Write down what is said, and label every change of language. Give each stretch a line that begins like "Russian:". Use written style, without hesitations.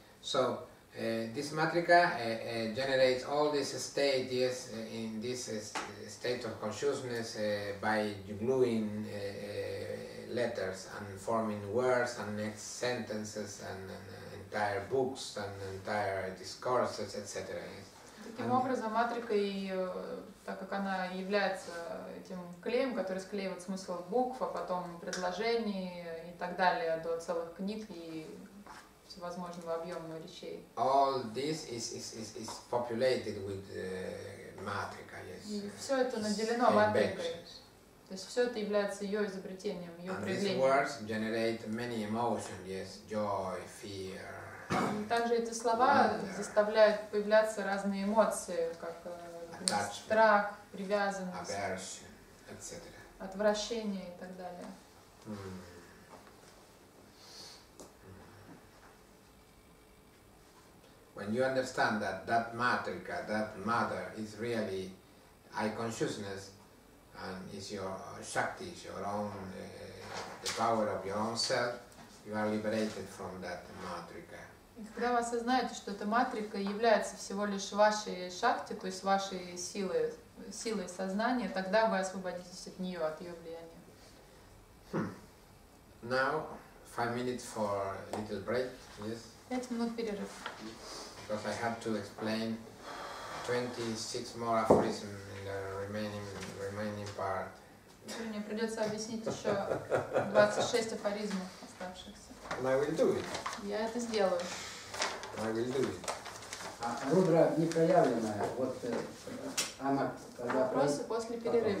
English: So this matrika generates all these stages in this state of consciousness by gluing letters and forming words and next sentences and entire books and entire discourses, etc.
Russian: Таким образом, матрика, и так как она является этим клеем, который склеивает смысл букв, а потом предложений и так далее, до целых книг и всевозможного объема речей.
English: All this is populated with matrika, yes.
Russian: И все это наделено матрикой. То есть все это является ее изобретением, ее проявлением.
English: And these words generate many emotions, yes, joy, fear.
Russian: И также эти слова заставляют появляться разные эмоции, как страх, привязанность,
English: aversion, etc.
Russian: Отвращение и так далее.
English: When you understand that matrika, that mother is really I consciousness, and is your shakti, your own the power of your own self, you are liberated from that matrika.
Russian: Когда вы осознаете, что эта матрика является всего лишь вашей шахте, то есть вашей силой, силой сознания, тогда вы освободитесь от нее, от ее влияния.
English: Now, 5 minutes for a little break, yes?
Russian: 5 минут перерыв.
English: Because I have to explain 26 more aphorisms in the remaining part.
Russian: Мне придется объяснить еще 26 афоризмов оставшихся.
English: I will do it.
Russian: Я это сделаю.
English: I will do it.
Russian: А рудра непроявленная, вот она когда... Вопросы после перерыва.